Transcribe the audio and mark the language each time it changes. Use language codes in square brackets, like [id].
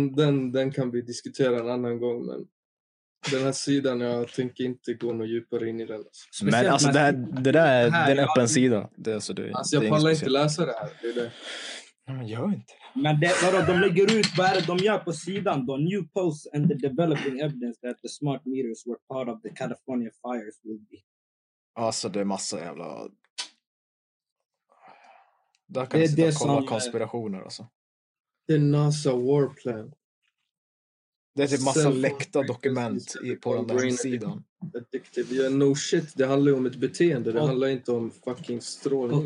[sv] Den kan vi diskutera en annan gång, men den här sidan, jag tänker inte gå något djupare in i den. Alltså. Men alltså, det där är en öppen sida. Det, alltså, det, alltså, jag det pallar inte läsa det här. Det är det. Nej, men gör inte. Men det, vadå, de lägger ut, vad är det de gör på sidan då? [en] New posts and the developing evidence that the smart meters were part of the California fires will be. [sv] Alltså, det är massa jävla... Där kan det, vi sitta och kolla som, konspirationer alltså. [en] The NASA war plan. [sv] Det är typ massa läckta dokument på den där sidan. [en] Addictive. Yeah, no shit, [sv] det handlar ju om ett beteende. Det handlar inte om [en] fucking [sv] strålning.